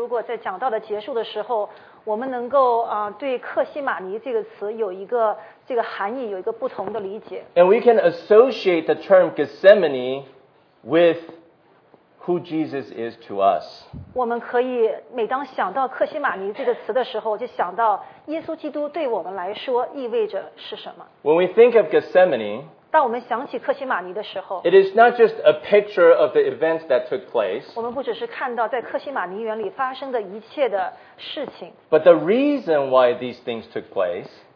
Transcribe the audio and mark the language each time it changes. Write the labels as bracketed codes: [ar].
[zh] 因为我盼望今天如果在讲到的结束的时候, 我们能够, 对克西马尼这个词有一个含义, 有一个不同的理解。 [en] And we can associate the term Gethsemane with who Jesus is to us. [zh] 我们可以每当想到克西马尼这个词的时候, 就想到耶稣基督对我们来说意味着是什么。 [en] When we think of Gethsemane, [zh] 当我们想起克西马尼的时候, [en] it is not just a picture of the events that took place, [zh] 我们不只是看到在克西马尼园里发生的一切的事情, [en] but the reason why these things took place,